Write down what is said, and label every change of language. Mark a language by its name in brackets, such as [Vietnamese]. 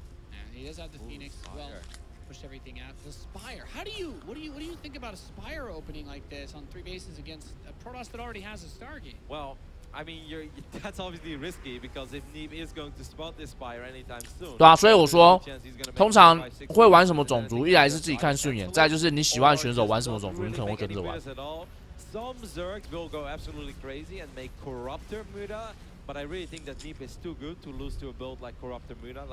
[English] And he does have the Ooh, phoenix as well. Push everything out. The spire. What do you think about a spire opening like this on three bases against a Protoss that already has a Stargate? Well, I mean, that's obviously risky because if Neep is going to spot this spire anytime soon. [Chinese] 对啊，所以我说。通常会玩什么种族，一来是自己看顺眼，再就是你喜欢的选手玩什么种族，你可能会跟着玩。 [English] Some Zerg will go absolutely crazy and make Corruptor Muta, but I really think that Neep is too good to lose to a build like Corruptor Muta.